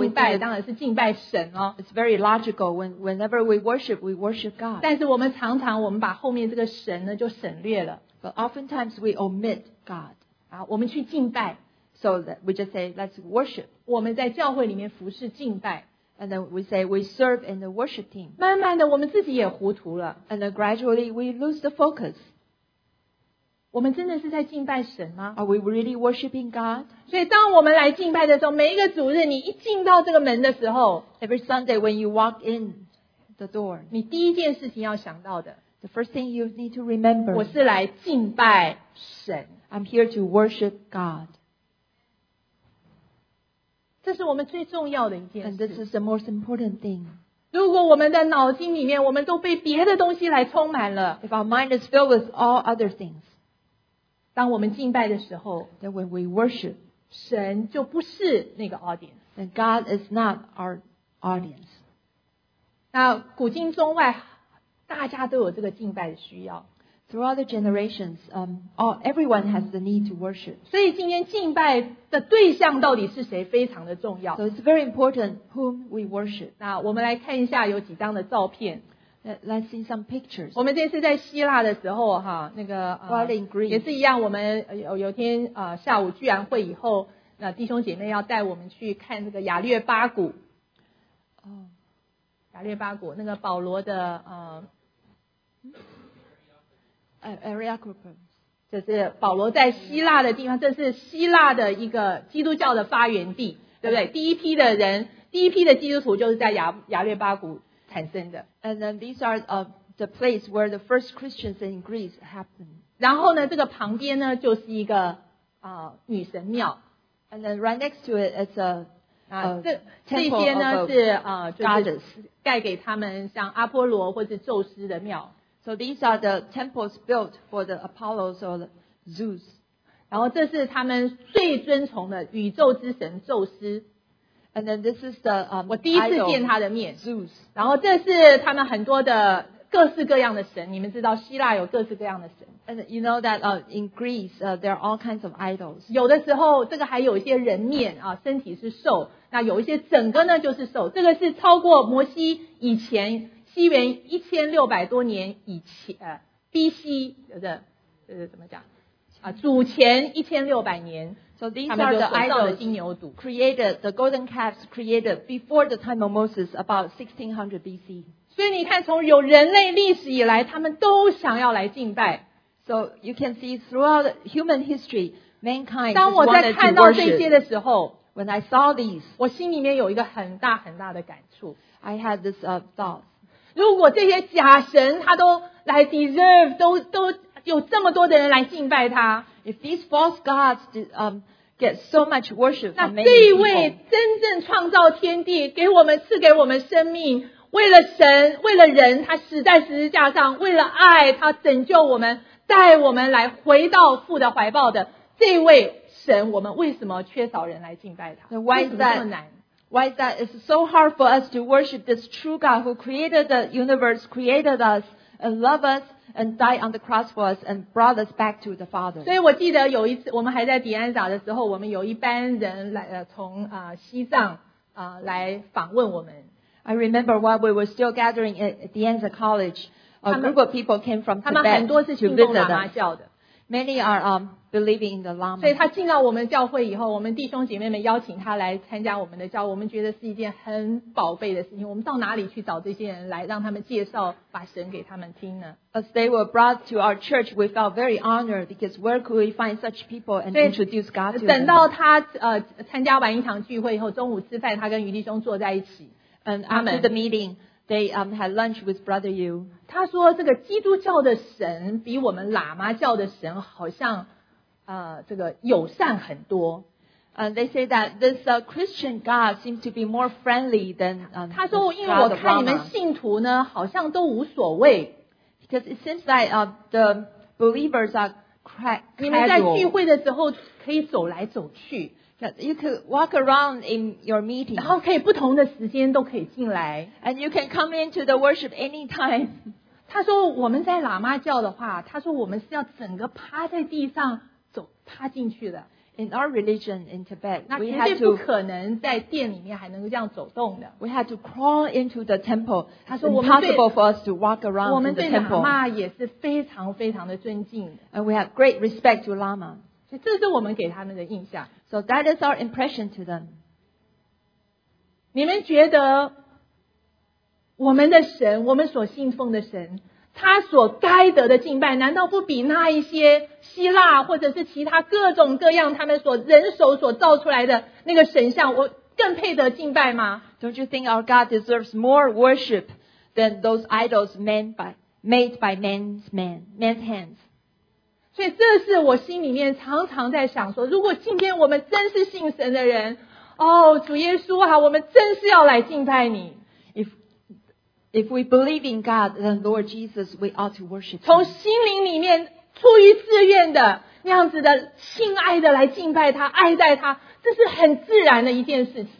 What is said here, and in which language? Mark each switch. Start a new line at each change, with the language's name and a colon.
Chinese: 敬拜当然是敬拜神哦。
English: It's very logical. Whenever we worship God.
Chinese: 但是我们常常我们把后面这个神呢就省略了。
English: But oftentimes we omit God.
Chinese: 我们去敬拜
English: So that we just say, let's worship.
Chinese: 我们在教会里面服侍敬拜
English: And then we say, we serve in the worship team.
Chinese: 慢慢的我们自己也糊涂了
English: And then gradually we lose the focus.
Chinese: 我们真的是在敬拜神吗
English: Are we really worshiping God?
Chinese: 所以当我们来敬拜的时候每一个主日你一进到这个门的时候
English: Every Sunday when you walk in the door
Chinese: 你第一件事情要想到的
English: The first thing you need to remember.
Chinese: 我是来敬拜神。
English: I'm here to worship God.
Chinese: 这是我们最重要的一件事。
English: And this is the most important thing.
Chinese: 如果我们的脑筋里面我们都被别的东西来充满了。
English: If our mind is filled with all other things.
Chinese: 当我们敬拜的时候。
English: Then when we worship.
Chinese: 神就不是那个 audience.
English: Then God is not our audience.
Chinese: 那古今中外大家都有这个敬拜的需要。
English: Throughout the generations, everyone has the need to worship.
Chinese: 所以今天敬拜的对象到底是谁非常的重要。
English: So it's very important whom we worship.
Chinese: 那我们来看一下有几张的照片。
English: Let's see some pictures.
Chinese: 我们这次在希腊的时候哈那个、
English: While in Greece.
Chinese: 也是一样我们 有天下午聚完会以后那弟兄姐妹要带我们去看这个亚略巴谷。亚略巴谷那个保罗的
English: Areopagus
Chinese: 这是保罗在希腊的地方这是希腊的一个基督教的发源地对不对第一批的人第一批的基督徒就是在亚略巴谷产生的
English: And then these are the place where the first Christians in Greece happened
Chinese: 然后呢这个旁边呢就是一个女神庙
English: And then right next to it it's a
Chinese: 这些呢是
English: goddess
Chinese: 盖给他们像阿波罗或是宙斯的庙
English: So these are the temples built for the Apollos or the Zeus.
Chinese: 然后这是他们最尊崇的宇宙之神宙斯。
English: And then this is the,
Chinese: 我第一次见他的面。
English: Zeus.
Chinese: 然后这是他们很多的各式各样的神。你们知道希腊有各式各样的神。
English: And you know that, in Greece, there are all kinds of idols.
Chinese: 有的时候这个还有一些人面啊身体是兽。那有一些整个呢就是兽。这个是超过摩西以前西元1600多年以前BC 怎么讲祖前1600年
English: So these are the idols created, the golden calves created before the time of Moses about 1600 BC.
Chinese: 所以你看从有人类历史以来他们都想要来敬拜。
English: So you can see throughout human history, mankind
Chinese: 当我在看到这些的时候
English: when I saw these,
Chinese: 我心里面有一个很大很大的感触。
English: I had this thought.
Chinese: 如果这些假神他都来 deserve 都有这么多的人来敬拜他
English: If these false gods get so much worship
Chinese: 那这一位真正创造天地给我们赐给我们生命为了神为了人他死在十字架上为了爱他拯救我们带我们来回到父的怀抱的这一位神我们为什么缺少人来敬拜他
English: Why is that?
Chinese: 为什么这么难
English: Why is that? It's so hard for us to worship this true God who created the universe, created us, and loved us, and died on the cross for us, and brought us back to the Father.
Chinese: 所以我记得有一次我们还在迪安撒的时候我们有一班人来从西藏来访问我们。
English: I remember while we were still gathering at迪安撒 College, a group of people came from Tibet.
Chinese: 他们很多是信奉喇嘛教的。
English: Many are believing in the Lama.
Chinese: 所以他进到我们教会以后我们弟兄姐妹们邀请他来参加我们的教会我们觉得是一件很宝贝的事情我们到哪里去找这些人来让他们介绍把神给他们听呢
English: As they were brought to our church we felt very honored because where could we find such people and introduce God to them
Chinese: 等到他参加完一场聚会以后中午吃饭他跟余弟兄坐在一起
English: And after the meeting they had lunch with Brother Yu
Chinese: 他说这个基督教的神比我们喇嘛教的神好像这个友善很多。
English: They say that this Christian God seems to be more friendly than,
Chinese: 他说因为我看你们信徒呢好像都无所谓。
English: Because it seems like, the believers are crack,
Chinese: 你们在聚会的时候可以走来走去。
English: You could walk around in your meeting.
Chinese: 然后可以不同的时间都可以进来。
English: And you can come into the worship anytime.
Chinese: 他说我们在喇嘛教的话他说我们是要整个趴在地上趴进去的
English: In our religion in Tibet,
Chinese: 那绝对不可能在殿里面还能够这样走动的。
English: We had to crawl into the temple.
Chinese: 他说
English: impossible for us to walk around in the temple.
Chinese: 我们对喇嘛也是非常非常的尊敬的。
English: And we have great respect to Lama.
Chinese: 所以这是我们给他们的印象。
English: So that is our impression to them.
Chinese: 你们觉得我们的神，我们所信奉的神？他所该得的敬拜难道不比那一些希腊或者是其他各种各样他们所人手所造出来的那个神像我更配得敬拜吗
English: Don't you think our God deserves more worship than those idols made by, made by man's hands.
Chinese: 所以这是我心里面常常在想说，如果今天我们真是信神的人，哦，主耶稣啊，我们真是要来敬拜你。
English: If we believe in God, then Lord Jesus, we ought to worship.
Chinese: 从心灵里面出于自愿的那样子的亲爱的来敬拜他，爱戴他，这是很自然的一件事情。